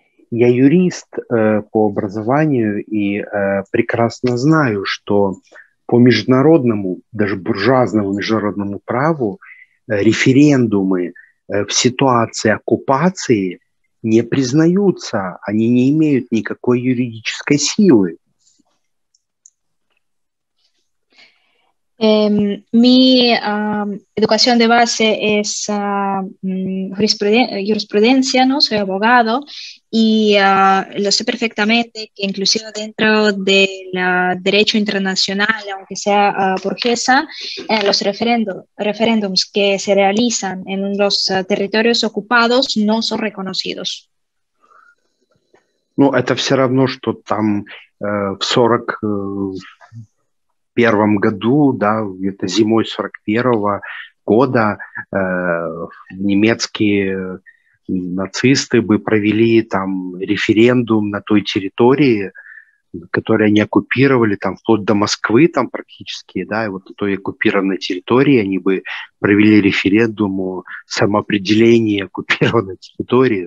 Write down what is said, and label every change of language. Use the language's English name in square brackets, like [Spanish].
[Russian] Я юрист по образованию и прекрасно знаю, что по международному, даже буржуазному международному праву референдумы в ситуации оккупации не признаются, они не имеют никакой юридической силы. [Spanish] Mi educación de base es jurisprudencia, ¿no? Soy abogado y lo sé perfectamente que inclusive dentro del derecho internacional, aunque sea burguesa, los referéndums que se realizan en los territorios ocupados no son reconocidos. [Russian] Ну, это все равно, что там в 40... В первом году, да, где-то зимой 41-го года немецкие нацисты бы провели там референдум на той территории, которую они оккупировали, там вплоть до Москвы там практически, да, и вот на той оккупированной территории они бы провели референдум о самоопределении оккупированной территории.